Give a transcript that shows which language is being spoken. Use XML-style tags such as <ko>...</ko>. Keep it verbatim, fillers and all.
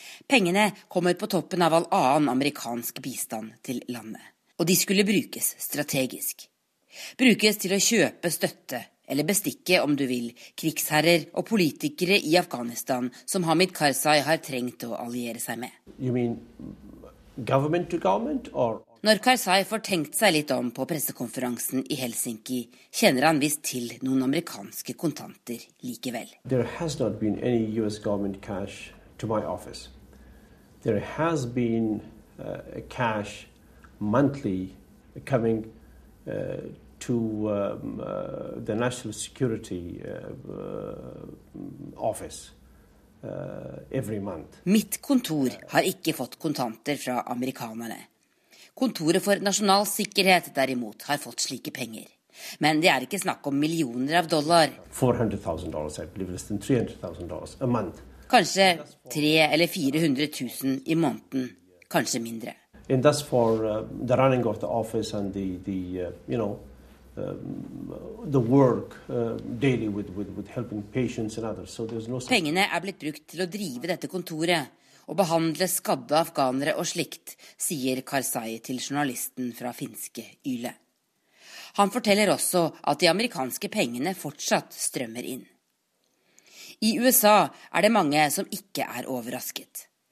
<no>Pengene kommer på toppen av all annen amerikansk bistand til landet, og de skulle brukes strategisk. Brukes til å kjøpe støtte, eller bestikke, om du vil, krigsherrer og politikere i Afghanistan som Hamid Karzai har trengt å alliere seg med.</no> <en>You mean government to government, or...</en> <no>Når Karzai får tenkt seg litt om på pressekonferansen i Helsinki, kjenner han visst til noen amerikanske kontanter likevel.</no> <en>There has not been any U S government cash to my office. There has been uh, cash monthly coming uh, to um, uh, the National Security uh, uh, Office uh, every month.</en> <no>Mitt kontor har ikke fått kontanter fra amerikanerne. Kontoret for nasjonal sikkerhet derimot har fått slike penger. Men det er ikke snakk om millioner av dollar.</no> <en>four hundred thousand dollars, I believe, less than three hundred thousand dollars a month.</en> <no>Kanskje</no> <en>three hundred thousand</en> <no>eller</no> <en>four hundred thousand</en> <no>i måneden, kanskje mindre.</no> <en>And that's for uh, the running of the office and the, the uh, you know, the work uh, daily with, with, with helping patients and others. So there's no...</en> <no>Pengene er blitt brukt til å drive dette kontoret og behandle skadde afghanere og slikt, sier Karzai til journalisten fra finske Yle. Han forteller også at de amerikanske pengene fortsatt strømmer inn. I U S A er det mange som ikke er overrasket.</no>